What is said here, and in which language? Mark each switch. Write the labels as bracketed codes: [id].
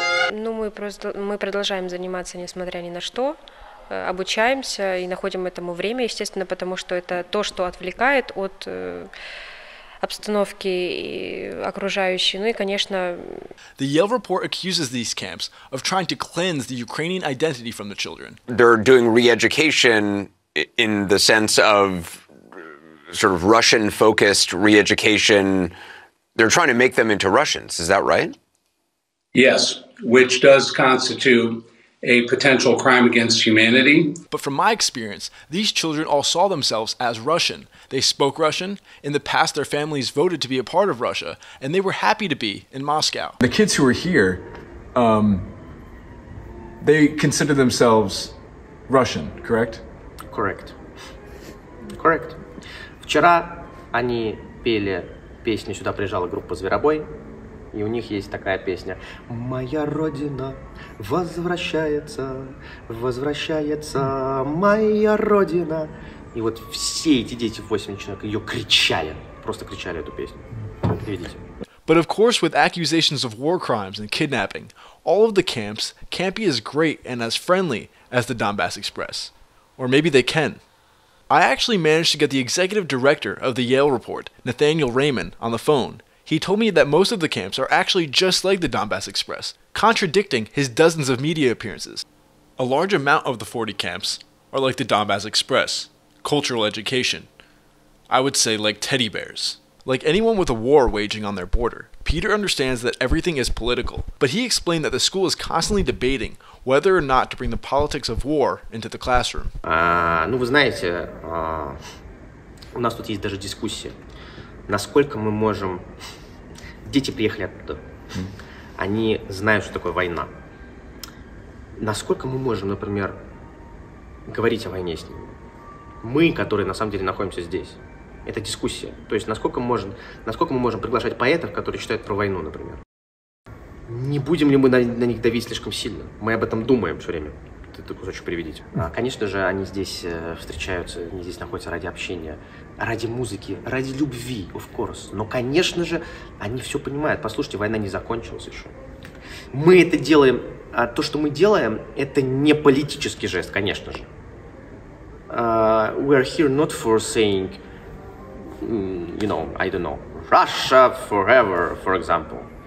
[ru] Ну, мы продолжаем заниматься, несмотря ни на что. Обучаемся и находим этому время, естественно, потому что это то, что отвлекает от обстановки и окружающей, ну и, конечно... [en] The Yale report accuses these camps of trying to cleanse the Ukrainian identity from the children. They're doing re-education in the sense of sort of Russian-focused re-education. They're trying to make them into Russians, is that right? Yes, which does constitute a potential crime against humanity. But from my experience, these children all saw themselves as Russian. They spoke Russian. In the past, their families voted to be a part of Russia, and they were happy to be in Moscow. The kids who are here, they consider themselves Russian, correct? Correct. Correct. [ru] Вчера они пели песню, сюда приезжала группа «Зверобой». И у них есть такая песня. Моя родина возвращается, возвращается, моя родина. И вот все эти дети, 8 человек, ее кричали. Просто кричали эту песню. Видите? [en] But of course, with accusations of war crimes and kidnapping, all of the camps can't be as great and as friendly as the Donbas Express. Or maybe they can. I actually managed to get the executive director of the Yale Report, Nathaniel Raymond, on the phone. He told me that most of the camps are actually just like the Donbas Express, contradicting his dozens of media appearances. A large amount of the 40 camps are like the Donbas Express, cultural education. I would say like teddy bears. Like anyone with a war waging on their border, Peter understands that everything is political, but he explained that the school is constantly debating whether or not to bring the politics of war into the classroom. [ru] Ну вы знаете, у нас тут есть даже дискуссия. Насколько мы можем... Дети приехали оттуда. Они знают, что такое война. Насколько мы можем, например, говорить о войне с ними? Мы, которые на самом деле находимся здесь. Это дискуссия. То есть насколько мы можем приглашать поэтов, которые читают про войну, например? Не будем ли мы на них давить слишком сильно? Мы об этом думаем все время. Ты такой кусочек приведи. Конечно же, они здесь встречаются, они здесь находятся ради общения, ради музыки, ради любви, [en] of course. [ru] Но, конечно же, они все понимают. Послушайте, война не закончилась еще. Мы это делаем, а то, что мы делаем, это не политический жест, конечно же. [en] We are here not for saying, you know, I don't know, Russia forever, for example.